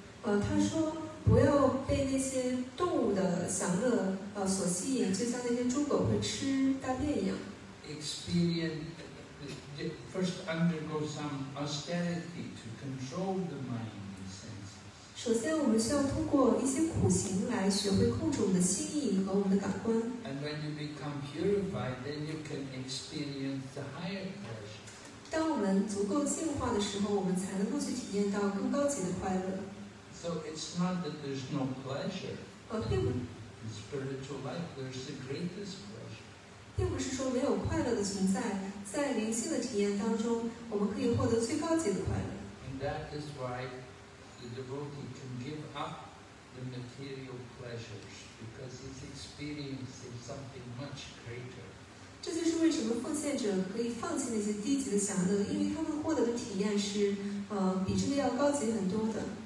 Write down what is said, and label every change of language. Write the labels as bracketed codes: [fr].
[zh] 他说不要被那些动物的享乐所吸引，就像那些猪狗会吃大便一样。 [en] Experience first undergo some austerity to control the mind and senses. [zh] 首先，我们需要通过一些苦行来学会控制我们的心意和我们的感官。 [en] And when you become purified, then you can experience the higher. [zh] 当我们足够净化的时候，我们才能够去体验到更高级的快乐。 [en] So it's not that there's no pleasure. [zh] 并不是。 [en] In spiritual life, there's the greatest pleasure. [zh] 并不是说没有快乐的存在，在灵性的体验当中，我们可以获得最高级的快乐。 [en] And that is why the devotee can give up the material pleasures because he's experiencing something much greater. [zh] 这就是为什么奉献者可以放弃那些低级的享乐，因为他们获得的体验是，比这个要高级很多的。